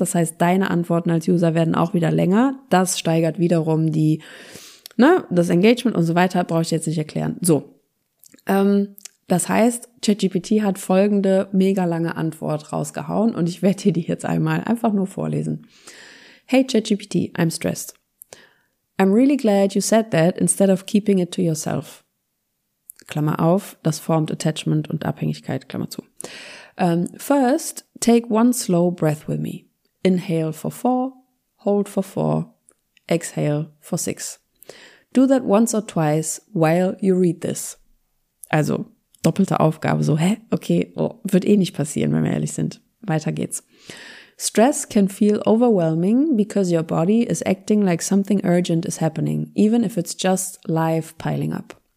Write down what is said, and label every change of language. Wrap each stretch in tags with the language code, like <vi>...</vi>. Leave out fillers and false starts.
<de>Das heißt, deine Antworten als User werden auch wieder länger. Das steigert wiederum das Engagement und so weiter, brauche ich jetzt nicht erklären. So. Das heißt, ChatGPT hat folgende mega lange Antwort rausgehauen und ich werde dir die jetzt einmal einfach nur vorlesen.</de> <en>Hey ChatGPT, I'm stressed. I'm really glad you said that instead of keeping it to yourself.</en> <de>Klammer auf, das formt Attachment und Abhängigkeit, Klammer zu.</de> <en>First, take one slow breath with me. Inhale for 4, hold for 4, exhale for 6. Do that once or twice while you read this.</en> <de>Also doppelte Aufgabe, so, okay, wird eh nicht passieren, wenn wir ehrlich sind. Weiter geht's.</de> <en>Stress can feel overwhelming because your body is acting like something urgent is happening, even if it's just life piling up.</en>